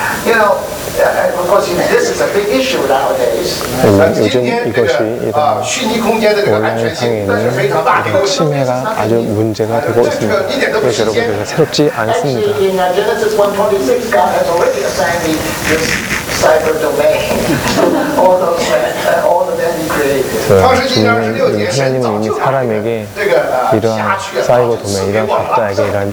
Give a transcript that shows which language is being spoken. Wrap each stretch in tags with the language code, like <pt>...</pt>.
<en>You know, this is a big issue nowadays.</en> <zh>那今天这个虚拟空间的这个安全性，那是非常大的侵害，啊，就问题啊，这个一点都不新鲜，</zh> <ko>새롭지않습니다</ko> <en>Actually, in Genesis 1:26, God has already assigned me this.</en> <zh>创世纪二十六节，神早就把这个辖区划出来了。</zh>